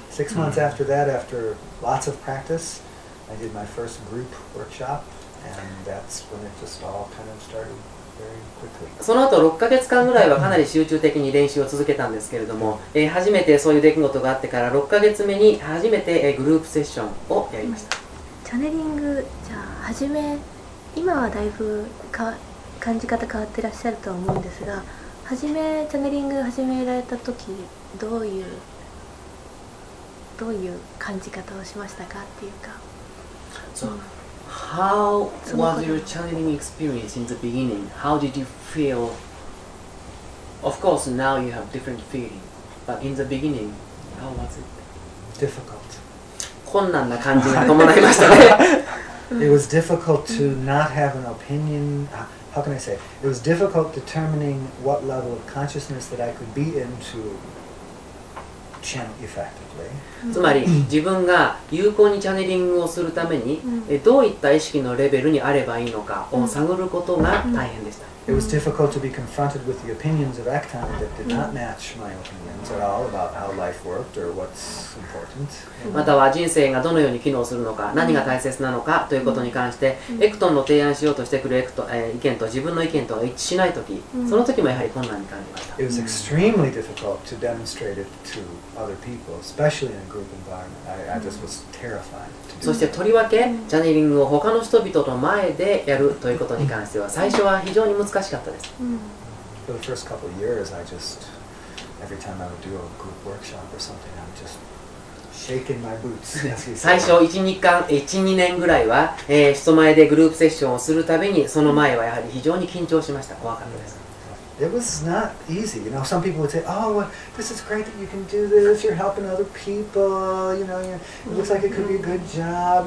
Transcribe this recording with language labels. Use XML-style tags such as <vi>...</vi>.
<en>Six months after that, after lots of practice,I did my first group workshop, and that's when it just all kind of started very quickly.</en> <ja>その後6ヶ月間ぐらいはかなり集中的に練習を続けたんですけれども、初めてそういう出来事があってから6ヶ月目に初めてグループセッションをやりました。チャネリング、じゃあ初め今はだいぶ感じ方変わってらっしゃると思うんですが、初めチャネリング始められた時どういう感じ方をしましたかっていうか。</ja> <en>So, how was your channeling experience in the beginning? How did you feel? Of course, now you have different feeling, but in the beginning, how was it? Difficult.</en> <ja>困難な感じが伴いましたね。</ja> <en>It was difficult to not have an opinion. How can I say? It was difficult determining what level of consciousness that I could be in to channel effectively.</en> <ja>つまり自分が有効にチャネリングをするためにどういった意識のレベルにあればいいのかを探ることが大変でした。</ja> <en>It was difficult to be confronted with the opinions of Actan that did not match my opinions at all about how life worked or what's important.</en> <ja>または人生がどのように機能するのか、何が大切なのかということに関して、エクトンの提案しようとしてくるエクト、意見と自分の意見とが一致しないとき、その時もやはり困難に感じました。</ja> <en>It was extremely difficult to demonstrate it to other people, especially in a group environment. I just was terrified.</en> <ja>そしてとりわけ、チャネリングを他の人々の前でやるということに関しては、最初は非常に難しかったです。</ja> <en>For the first couple of years, I just, every time I would do a group workshop or something, I'm just shaking my boots.</en> <ja>最初1、2年ぐらいは、人前でグループセッションをするたびに、その前はやはり非常に緊張しました。怖かったです。</ja> <en>It was not easy. You know, some people would say, oh, well, this is great that you can do this. You're helping other people. You know, it looks like it could be a good job.</en>